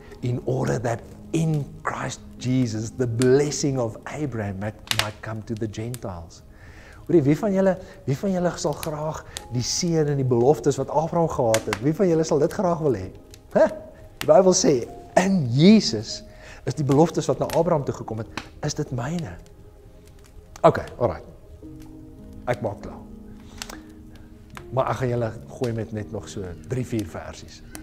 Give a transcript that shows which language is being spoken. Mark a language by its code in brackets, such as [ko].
[en] In order that in Christ Jesus the blessing of Abraham might come to the Gentiles. [af] Hoorie, wie van julle sal graag die seën en die beloftes wat Abraham gehad het? Wie van julle sal dit graag wil hê? Die Bijbel sê, in Jesus is die beloftes wat na Abraham toe gekom het, is dit myne. Okay, alright. Ek maak klaar. Maar ek gaan julle gooi met net nog so 3-4 versies.